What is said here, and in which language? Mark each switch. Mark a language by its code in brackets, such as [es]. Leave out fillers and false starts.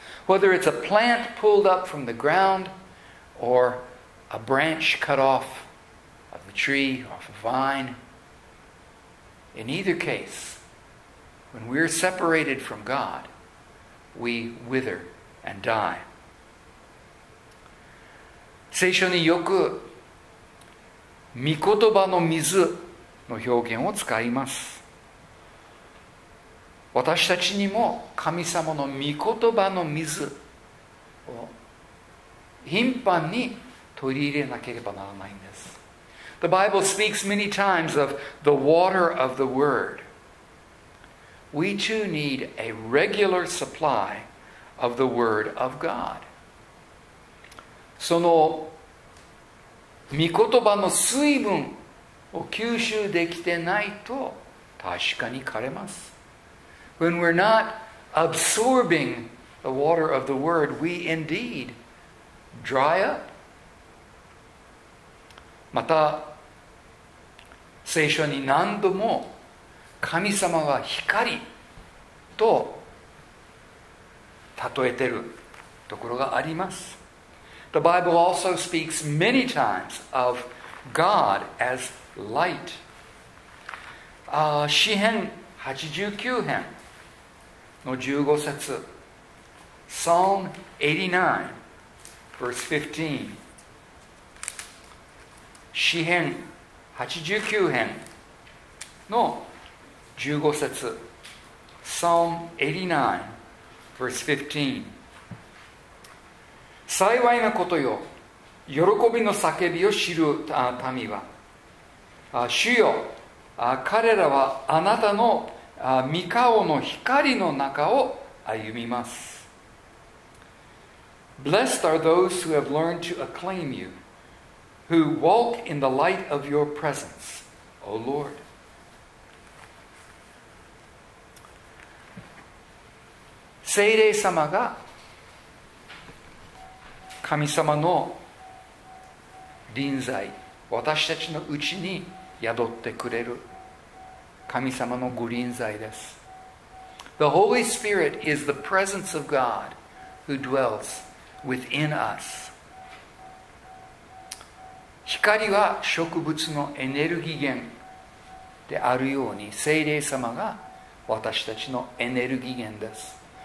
[en] Whether it's a plant pulled up from the ground or a branch cut off of a tree, off a vine, in either case,When we are separated from God, we wither and die. [ja] 聖書によく御言葉の水の表現を使います。私たちにも神様の御言葉の水を頻繁に取り入れなければならないんです。 [en] The Bible speaks many times of the water of the word. We too need a regular supply of the Word of God. [ja] その御言葉の水分を吸収できてないと確かに枯れます。 [en] When we're not absorbing the water of the Word, we indeed dry up. [ja] また聖書に何度も神様は光と例えているところがあります。 [en] The Bible also speaks many times of God as light. [ja] 詩編89編の15節 [en] Psalm 89 verse 15 [ja] 詩編89編の15節 [en] Psalm 89 verse 15 [ja] 幸いなことよ、喜びの叫びを知る民は、主よ、彼らはあなたの御顔の光の中を歩みます。 [en] Blessed are those who have learned to acclaim you, who walk in the light of your presence, O Lord. [ja] 聖霊様が神様の臨在、私たちのうちに宿ってくれる神様のご臨在です。 [en] The Holy Spirit is the presence of God who dwells within us. [ja] 光は植物のエネルギー源であるように、聖霊様が私たちのエネルギー源です。